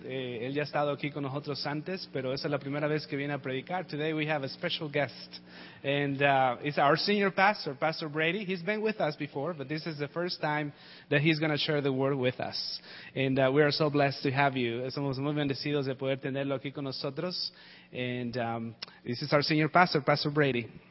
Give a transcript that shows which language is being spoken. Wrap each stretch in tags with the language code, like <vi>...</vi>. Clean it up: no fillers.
<es>Él ya ha estado aquí con nosotros antes, pero esa es la primera vez que viene a predicar.</es> <en>Today we have a special guest. And it's our senior pastor, Pastor Brady. He's been with us before, but this is the first time that he's going to share the word with us. And we are so blessed to have you.</en> <es>Somos muy bendecidos de poder tenerlo aquí con nosotros.</es> <en>And this is our senior pastor, Pastor Brady.</en>